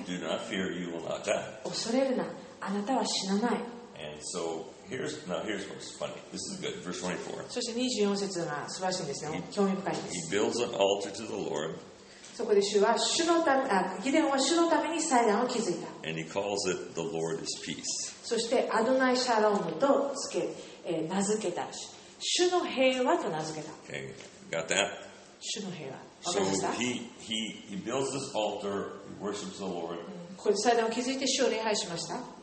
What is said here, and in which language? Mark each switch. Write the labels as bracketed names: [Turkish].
[English] Do not fear, you will not die. [Japanese] 恐れるな。あなたは死なない。 [English] And so here's what's funny. This is good. Verse 24. [Japanese] そして24節が素晴らしいんですね。興味深いです。 [English] He builds an altar to the Lord. [Japanese] そこで ギデオンは主のために祭壇を築いた。 [English] And he calls it the Lord is peace. [Japanese] そしてアドナイシャロームと名付けた主の平和と名付けた。 [English] Okay, got that? [Japanese] 主の平和。 [English] So he builds this altar, he worships the Lord. [Japanese] これ祭壇を築いて主を礼拝しました。